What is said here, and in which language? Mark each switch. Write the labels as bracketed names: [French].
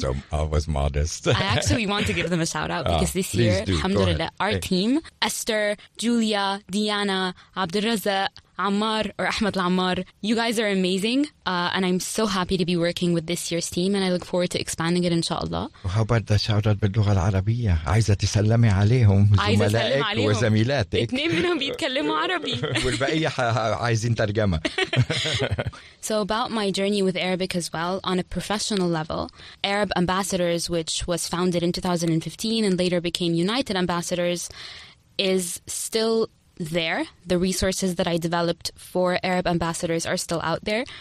[English] So I was modest. I actually want to give them a shout out because this year, do. Alhamdulillah, our team, Esther, Julia, Diana, Abdelrazak, Ammar or Ahmed Lamar, you guys are amazing. And I'm so happy to be working with this year's team. And I look forward to expanding it, inshallah. How about the shout out [Arabic] باللغة العربية؟ عايزة تسلمي عليهم زملائك وزميلاتك. اثنين منهم بيتكلموا عربي. والباقي عايزين ترجمة. [English] So about my journey with Arabic as well, on a professional level, Arab Ambassadors, which was founded in 2015 and later became United Ambassadors, is still there. The resources that I developed for Arab ambassadors are still out there.